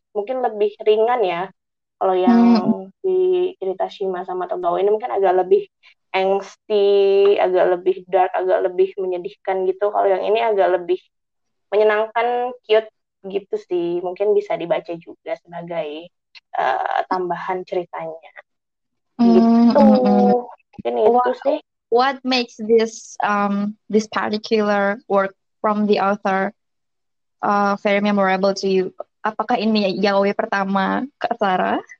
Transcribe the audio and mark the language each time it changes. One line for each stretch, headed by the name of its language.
Indonesian: Mungkin lebih ringan ya. Kalau yang di cerita Shima sama Togawa ini mungkin agak lebih angsty, agak lebih dark, agak lebih menyedihkan gitu. Kalau yang ini agak lebih menyenangkan, cute gitu sih. Mungkin bisa dibaca juga sebagai tambahan ceritanya. Gitu. Mungkin itu sih.
English: What makes this this particular work from the author very memorable to you?
Indonesian: Apakah ini yaoi pertama Kak Sarah?